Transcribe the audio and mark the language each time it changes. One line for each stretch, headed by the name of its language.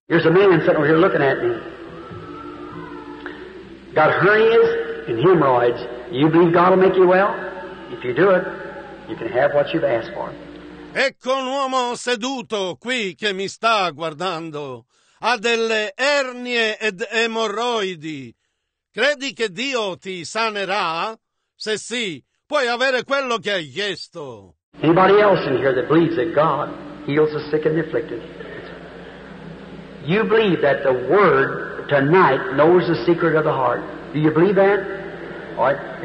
English: There's a man sitting over here looking at me. Got hernias and hemorrhoids. You believe God will make you well? If you do it, you can have what you've asked for.
Italian: Ecco un uomo seduto qui che mi sta guardando. Ha delle ernie ed emorroidi. Credi che Dio ti sanerà? Se sì, puoi avere quello che hai chiesto.
English: Anybody else in here that believes that God heals the sick and the afflicted? You believe that the Word tonight knows the secret of the heart. Do you believe that? All right.